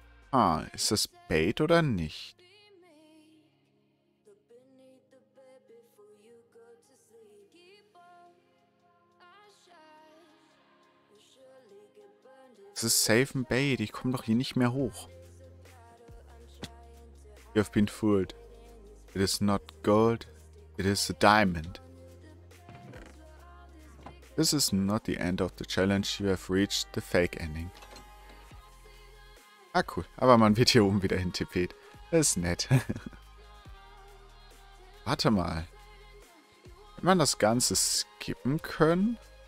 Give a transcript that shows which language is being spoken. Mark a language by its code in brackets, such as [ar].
[de] Ah, ist das Bait oder nicht? Es ist safe ein Bait. Ich komme doch hier nicht mehr hoch. [en] You have been fooled. It is not gold. It is a diamond. This is not the end of the challenge. You have reached the fake ending. [de] Ah, cool. Aber man wird hier oben wieder hintippet. Das ist nett. Warte mal. Hätte man das Ganze skippen können?